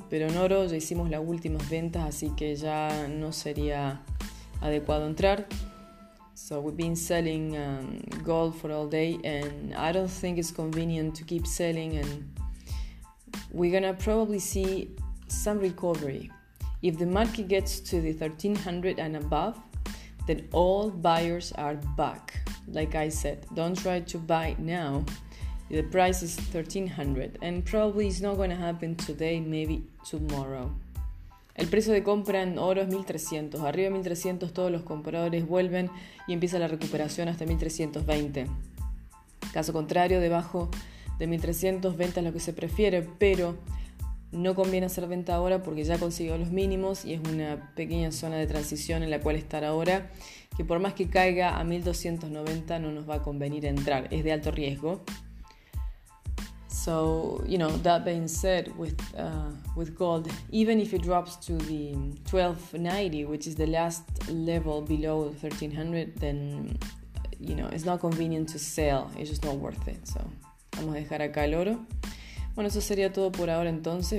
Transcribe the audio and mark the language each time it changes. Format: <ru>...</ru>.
<es>Pero en oro ya hicimos las últimas ventas, así que ya no sería adecuado entrar.</es> <en>So we've been selling gold for all day, and I don't think it's convenient to keep selling, and we're gonna probably see some recovery. If the market gets to the 1300 and above, then all buyers are back. Like I said, don't try to buy now. The price is 1300 and probably it's not gonna happen today, maybe tomorrow.</en> <es>El precio de compra en oro es 1300. Arriba de 1300 todos los compradores vuelven y empieza la recuperación hasta 1320. Caso contrario, debajo de 1300, venta es lo que se prefiere, pero no conviene hacer venta ahora porque ya consiguió los mínimos y es una pequeña zona de transición en la cual estar ahora, que por más que caiga a 1290 no nos va a convenir entrar, es de alto riesgo.</es> <en>So, you know, that being said, with gold, even if it drops to the 1290, which is the last level below 1300, then, you know, it's not convenient to sell. It's just not worth it. So,</en> <es>vamos a dejar acá el oro. Bueno, eso sería todo por ahora entonces.</es>